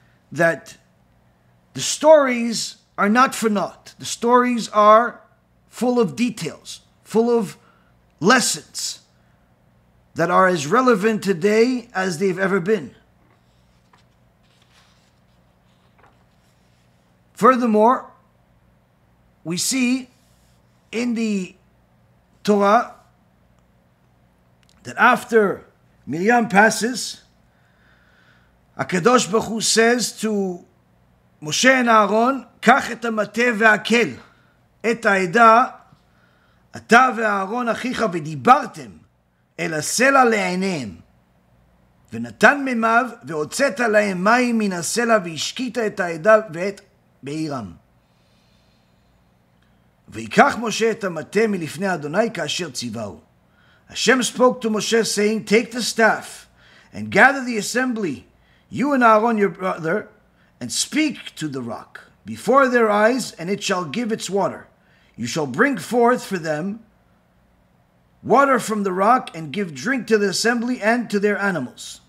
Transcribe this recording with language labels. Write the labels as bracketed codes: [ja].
[en] that the stories are not for naught. The stories are full of details, full of lessons that are as relevant today as they've ever been. Furthermore, we see in the Torah that after Miriam passes, HaKadosh Baruch Hu says to Moshe and Aaron, [he] קח את המטה והכל, את העדה, אתה ואהרון אחיך ודיברתם אל הסלע לעיניהם, ונתן ממיו והוצאת להם מים מן הסלע והשקית את העדה ואת בעירם. ויקח משה את המטה מלפני אדוני כאשר ציווהו. [en] השם spoke to Moshe saying, take the staff and gather the assembly, you and Aaron your brother, and speak to the rock before their eyes, and it shall give its water. You shall bring forth for them water from the rock and give drink to the assembly and to their animals.